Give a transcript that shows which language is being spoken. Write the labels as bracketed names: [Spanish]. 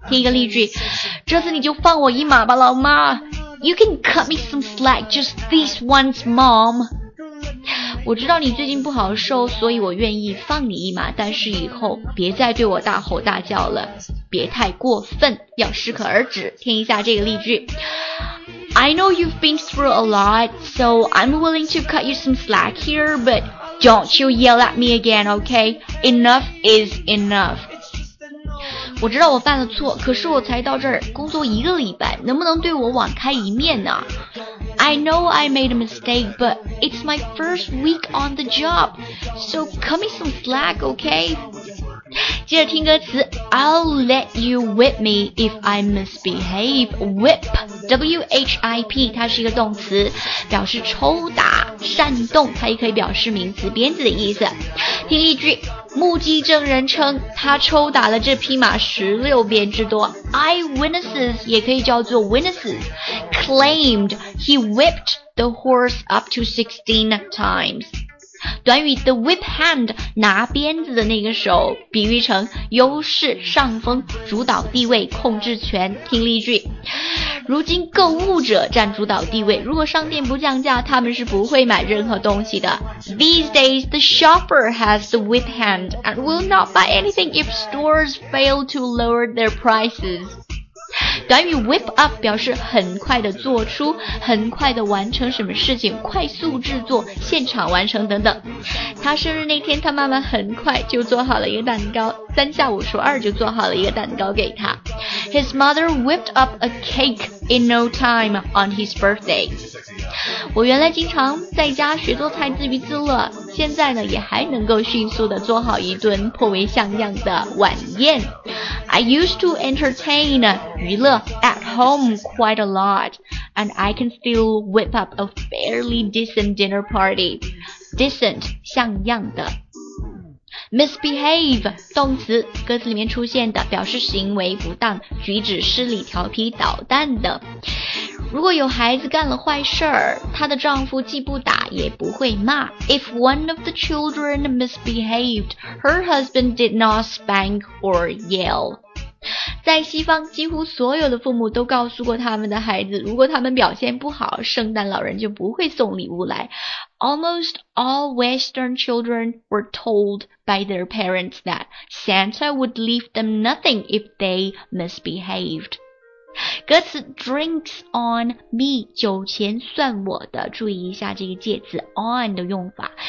[Chinese] 听一个例句，这次你就放我一马吧老妈。 [English] You can cut me some slack just this once mom。 [Chinese] 我知道你最近不好受，所以我愿意放你一马，但是以后别再对我大吼大叫了，别太过分，要适可而止。听一下这个例句， [English] I know you've been through a lot, so I'm willing to cut you some slack here, but don't you yell at me again, okay? Enough is enough. [Chinese] 我知道我犯了错，可是我才到这儿工作一个礼拜，能不能对我网开一面呢？ [English] I know I made a mistake, but it's my first week on the job, so cut me some slack, okay? [Chinese] 接着听歌词， [English] I'll let you whip me if I misbehave. [Chinese] Whip W-H-I-P 它是一个动词，表示抽打煽动，它也可以表示名词鞭子的意思。听例句，目击证人称他抽打了这匹马16遍之多。 [English] Eyewitnesses [Chinese] 也可以叫做 [English] witnesses claimed he whipped the horse up to 16 times。 [Chinese] 短语 the whip hand 拿鞭子的那个手，比喻成优势、上风、主导地位、控制权。听例句，如今购物者占主导地位，如果商店不降价，他们是不会买任何东西的。 [English] These days the shopper has the whip hand and will not buy anything if stores fail to lower their prices。 [Chinese] 短语 whip up 表示很快的做出，很快的完成什么事情，快速制作，现场完成等等。他生日那天，他妈妈很快就做好了一个蛋糕，三下五除二就做好了一个蛋糕给他。 [English] His mother whipped up a cake in no time on his birthday。 [Chinese] 我原来经常在家学做菜自娱自乐，现在呢也还能够迅速的做好一顿颇为像样的晚宴。 [English] I used to entertain 娱乐 at home quite a lot, and I can still whip up a fairly decent dinner party. [Chinese] Decent, 像样的。Misbehave, 动词，歌词里面出现的，表示行为不当，举止失礼，调皮捣蛋的。如果有孩子干了坏事儿，她的丈夫既不打也不会骂。 [English] If one of the children misbehaved, her husband did not spank or yell. [Chinese] 在西方几乎所有的父母都告诉过他们的孩子，如果他们表现不好，圣诞老人就不会送礼物来。 [English] Almost all Western children were told by their parents that Santa would leave them nothing if they misbehaved。 [Chinese] 歌词 [English] drinks on me [Chinese] 酒钱算我的，注意一下这个介词 on 的用法。